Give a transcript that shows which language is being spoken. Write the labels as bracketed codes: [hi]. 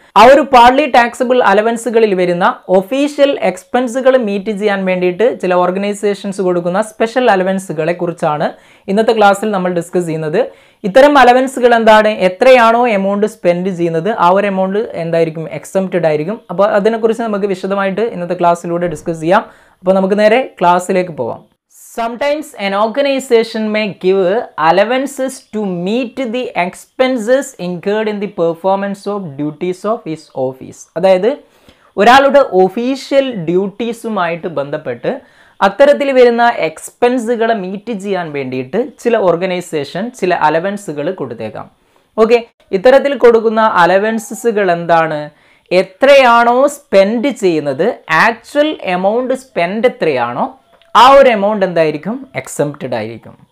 [ml] ആ ഒരു partly taxable അലവൻസുകളിൽ വരുന്ന ഒഫീഷ്യൽ എക്സ്പെൻസുകൾ മീറ്റ് ചെയ്യാൻ വേണ്ടിയിട്ട് ചില ഓർഗനൈസേഷൻസ് കൊടുക്കുന്ന സ്പെഷ്യൽ അലവൻസുകളെ കുറിച്ചാണ് ഇന്നത്തെ ക്ലാസ്സിൽ നമ്മൾ ഡിസ്കസ് ചെയ്യുന്നത്. ഇത്തരം അലവൻസുകൾ എന്താണ്, എത്രയാണോ എമൗണ്ട് സ്പെൻഡ് ചെയ്യുന്നത് ആ ഒരു എമൗണ്ട് എന്തായിരിക്കും, എക്സെംപ്റ്റഡ് ആയിരിക്കും. അപ്പോൾ അതിനെക്കുറിച്ച് നമുക്ക് വിശദമായിട്ട് ഇന്നത്തെ ക്ലാസ്സിലൂടെ ഡിസ്കസ് ചെയ്യാം. അപ്പോൾ നമുക്ക് നേരെ ക്ലാസ്സിലേക്ക് പോവാം. [en] Sometimes an organization may give allowances to meet the expenses incurred in the performance of duties of his office. [ml] അതായത് ഒരാളുടെ ഒഫീഷ്യൽ ഡ്യൂട്ടീസുമായിട്ട് ബന്ധപ്പെട്ട് അത്തരത്തിൽ വരുന്ന എക്സ്പെൻസുകളെ മീറ്റ് ചെയ്യാൻ വേണ്ടിയിട്ട് ചില ഓർഗനൈസേഷൻ ചില അലവൻസുകൾ കൊടുത്തേക്കാം. ഓക്കെ, ഇത്തരത്തിൽ കൊടുക്കുന്ന അലവൻസുകൾ എന്താണ്, എത്രയാണോ സ്പെൻഡ് ചെയ്യുന്നത്, ആക്ച്വൽ എമൗണ്ട് സ്പെൻഡ് എത്രയാണോ ആ ഒരു എമൗണ്ട് എന്തായിരിക്കും, എക്സെംപ്റ്റഡ് ആയിരിക്കും.